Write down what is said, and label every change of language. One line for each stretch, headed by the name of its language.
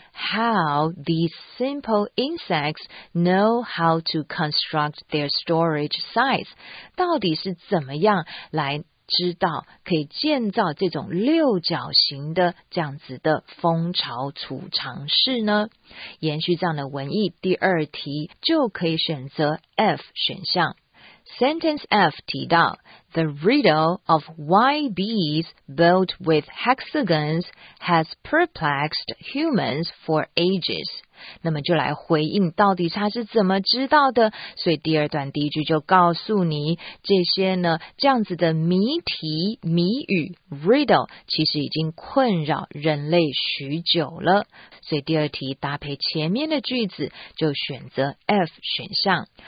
Chinese: How these simple insects know how to construct their storage sites，到底是怎么样来知道可以建造这种六角形的这样子的蜂巢储藏室呢？延续这样的文意，第二题就可以选择 F 选项。
English: Sentence F 提到 The riddle of why bees built with hexagons has perplexed humans for ages。
Chinese: 那么就来回应到底它是怎么知道的，所以第二段第一句就告诉你这些呢，这样子的谜题谜语 riddle 其实已经困扰人类许久了。所以第二题搭配前面的句子就选择 F 选项。